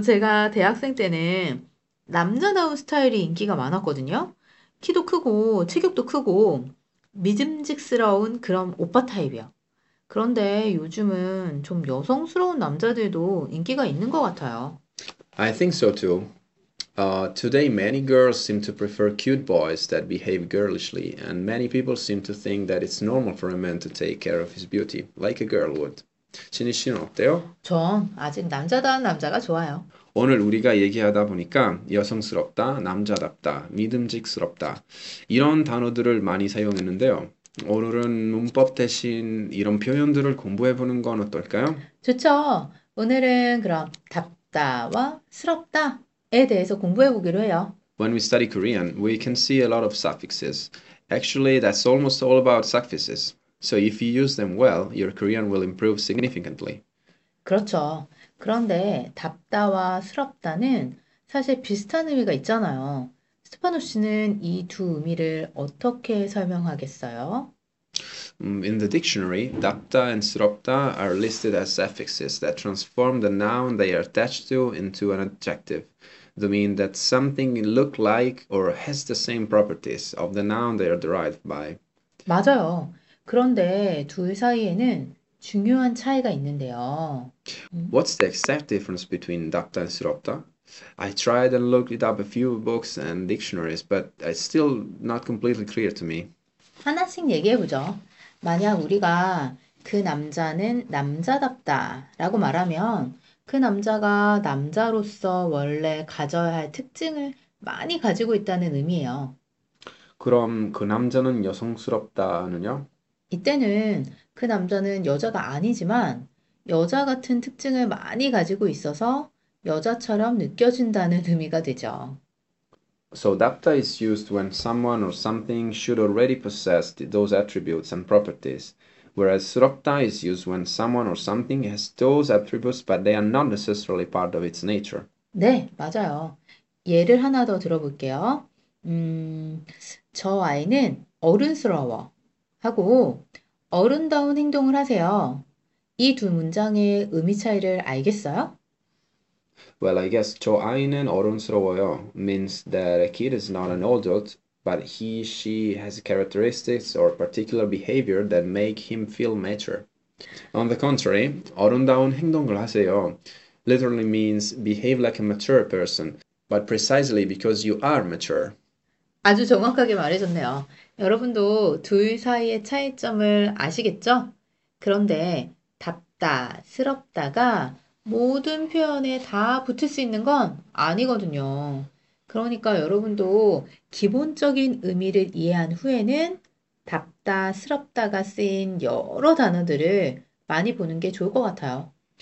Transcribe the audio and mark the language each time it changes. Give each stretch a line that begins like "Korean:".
Korean: 제가 대학생 때는 남자다운 스타일이 인기가 많았거든요. 키도 크고 체격도 크고 믿음직스러운 그런 오빠 타입이요. 그런데 요즘은 좀 여성스러운 남자들도 인기가 있는 것 같아요.
English: I think so too. Today, many girls seem to prefer cute boys that behave girlishly, and many people seem to think that it's normal for a man to take care of his beauty, like a girl would.
Korean: 지니 씨는 어때요? 전 아직 남자다운 남자가 좋아요. 오늘 우리가 얘기하다 보니까 여성스럽다, 남자답다, 믿음직스럽다 이런 단어들을 많이 사용했는데요. 오늘은 문법 대신 이런 표현들을 공부해 보는 건 어떨까요? 좋죠. 오늘은 그럼 답다와 스럽다에 대해서 공부해 보기로 해요.
English: When we study Korean, we can see a lot of suffixes. Actually, that's almost all about suffixes. So if you use them well, your Korean will improve significantly.
Korean: 그렇죠. 그런데 답다와 스럽다는 사실 비슷한 의미가 있잖아요. 스테파노 씨는 이 두 의미를 어떻게 설명하겠어요?
English: In the dictionary, 답다 and 스럽다 are listed as suffixes that transform the noun they are attached to into an adjective. They mean that something look like or has the same properties of the noun they are derived by.
Korean: 맞아요. 그런데 둘 사이에는 중요한 차이가 있는데요.
English: What's the exact difference between 답다 and 스럽다? I tried and looked it up a few books and dictionaries, but it's still not completely clear to me.
Korean: 하나씩 얘기해 보죠. 만약 우리가 그 남자는 남자답다 라고 말하면 그 남자가 남자로서 원래 가져야 할 특징을 많이 가지고 있다는 의미예요. 그럼 그 남자는 여성스럽다는요? 이때는 그 남자는 여자가 아니지만 여자 같은 특징을 많이 가지고 있어서 여자처럼 느껴진다는 의미가 되죠.
English: So, 답다 is used when someone or something should already possess those attributes and properties, whereas 스럽다 is used when someone or something has those attributes but they are not necessarily part of its nature.
Korean: 네, 맞아요. 예를 하나 더 들어볼게요. 저 아이는 어른스러워 하고 어른다운 행동을 하세요. 이 두 문장의 의미 차이를 알겠어요?
English: Well, I guess
Korean: 저 아이는 어른스러워요
English: means that a kid is not an adult, but he, she has characteristics or particular behavior that make him feel mature. On the contrary,
Korean: 어른다운 행동을 하세요
English: literally means behave like a mature person, but precisely because you are mature.
Korean: 아주 정확하게 말해줬네요. 여러분도 둘 사이의 차이점을 아시겠죠? 그런데 답다, 스럽다가 모든 표현에 다 붙을 수 있는 건 아니거든요. 그러니까 여러분도 기본적인 의미를 이해한 후에는 답다, 스럽다가 쓰인 여러 단어들을 많이 보는 게 좋을 것 같아요.